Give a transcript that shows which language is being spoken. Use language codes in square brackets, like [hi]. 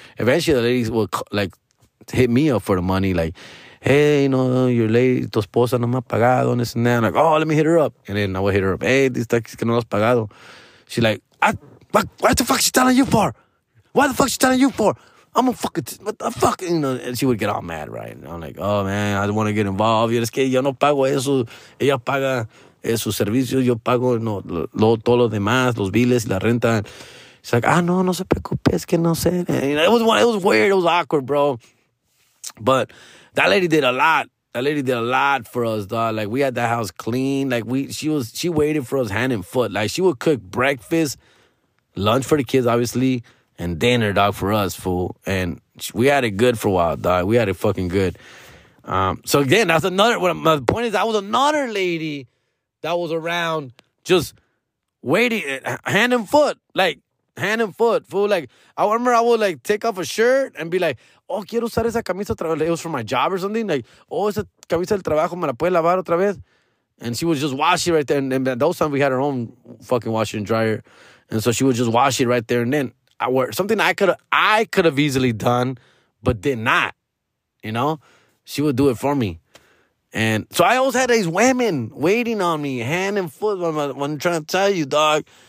[en] Eventually, the ladies would like hit me up for the money, like, hey, you know, your lady, [es] tu esposa no me ha pagado, [en] and this and that. I'm like, oh, let me hit her up. And then I would hit her up. Hey, this taxi [es] que no lo has pagado. [en] She's like, what the fuck she telling you for? What the fuck she telling you for? I'm a fucking, what the fuck? You know, and she would get all mad, right? And I'm like, oh, man, I don't want to get involved. [es] Es que yo no pago eso. Ella paga esos servicios, yo pago no, lo, todo lo demás, los biles, la renta. [en] It's like, ah, [es] no, no se preocupe, es que no sé. [en] It was weird, it was awkward, bro. But that lady did a lot. That lady did a lot for us, dog. Like, we had the house clean. Like, she waited for us hand and foot. Like, she would cook breakfast, lunch for the kids, obviously, and dinner, dog, for us, fool. And we had it good for a while, dog. We had it fucking good. So, again, that's another, what my point is, that was another lady that was around just waiting, hand and foot. Like, hand and foot, fool. Like, I remember I would, like, take off a shirt and be like, oh, [es] quiero usar esa camisa otra vez. [en] It was for my job or something. Like, oh, [es] esa camisa del trabajo, ¿me la puede lavar otra vez? [en] And she would just wash it right there. And those times we had our own fucking washer and dryer. And so she would just wash it right there. And then something I could have easily done, but did not, you know? She would do it for me. And so I always had these women waiting on me, hand and foot, when I'm trying to tell you, dog.